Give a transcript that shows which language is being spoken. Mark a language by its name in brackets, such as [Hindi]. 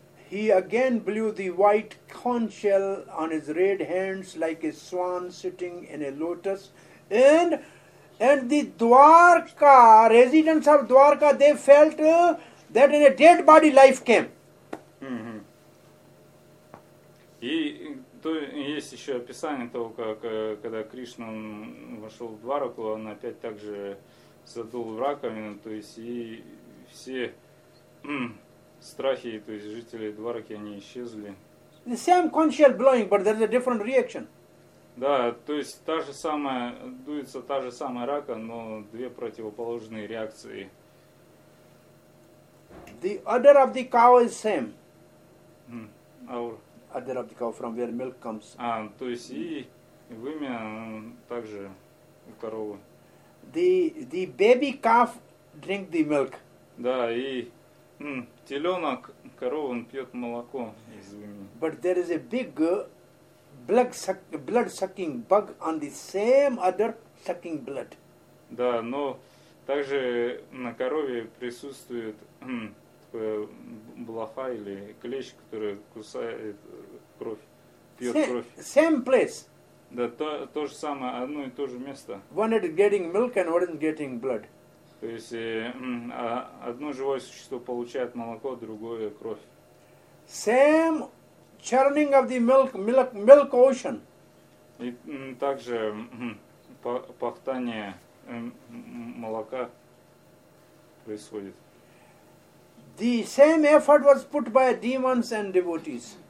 [English] He again blew the white conch shell on his red hands like a swan sitting in a lotus. And the Dwarka, residents of Dwarka, they felt that in a dead body life came. [Russian] Есть еще описание того, как когда Кришна вошел в Двараку, он опять так же задул в раковину, то есть и все страхи, то есть жители Двараки, они исчезли. [English] The same conch shell blowing, but there's a different reaction. [Russian] Да, то есть та же самая, дуется та же самая рака, но две противоположные реакции. [English] The odor of the cow is same. Mm. Our... Odor of the cow from where milk comes. [Russian] А, то есть и вымя также у коровы. [English] The baby calf drink the milk. [Russian] Да, и теленок коровы, он пьет молоко из вымя. [English] But there is a big blood-sucking bug on the same other sucking blood. [Russian] Да, но также на корове присутствует такое блоха или клещ, который кусает кровь, пьет [English] same, [Russian] кровь. [English] Same place. [Russian] Да, то же самое, одно и то же место. [English] One is getting milk and one is getting blood. [Russian] То есть одно живое существо получает молоко, другое кровь. [English] Same churning of the milk ocean. [Russian] И также пахтание молока происходит. [English] The same effort was put by demons and devotees.